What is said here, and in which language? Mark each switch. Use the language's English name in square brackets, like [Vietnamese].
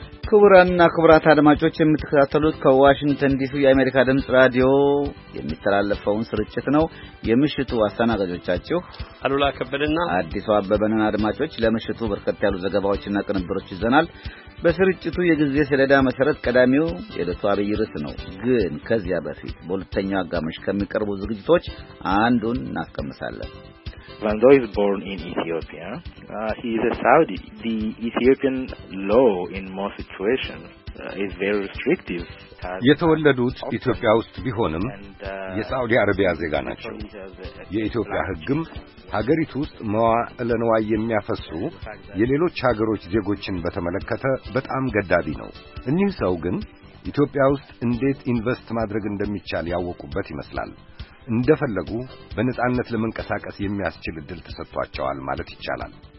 [Amharic] ክቡራንና ክቡራት አድማጮች የምትከታተሉት ከዋሽንግተን ዲሲ የአሜሪካ ድምጽ ራዲዮ የሚተላለፈውን ስርጭት ነው። የምሽቱ አስተናጋጆቻችሁ አሉላ ከበደና አዲሱ አበበ ነን። አድማጮች ለምሽቱ በርከት ያሉ ዘገባዎችና ቅንብሮች ይዘናል። በስርጭቱ የጊዜ ሰሌዳ መሰረት ቀዳሚው የዕለቱ አብይ ርዕስ ነው። ግን ከዚያ በፊት በሁለተኛው አጋማሽ ከሚቀርቡ ዝግጅቶች አንዱን እናስቀምሳለን። [English] Landau is born in Ethiopia. He is a Saudi. The Ethiopian law in most situations is very restrictive. [Amharic] የተወለዱት ኢትዮጵያ ውስጥ ቢሆንም የሳውዲ አረቢያ ዜጋ ናቸው። የኢትዮጵያ ሕግም ሀገሪቱ ውስጥ መዋዕለ ንዋይ የሚያፈሱ የሌሎች ሀገሮች ዜጎችን በተመለከተ በጣም ገዳቢ ነው። እኚህ ሰው ግን ኢትዮጵያ ውስጥ እንዴት ኢንቨስት ማድረግ እንደሚቻል ያወቁበት ይመስላል። እንደፈለጉ በነጻነት ለመንቀሳቀስ የሚያስችል እድል ተሰጥቷቸዋል ማለት ይቻላል።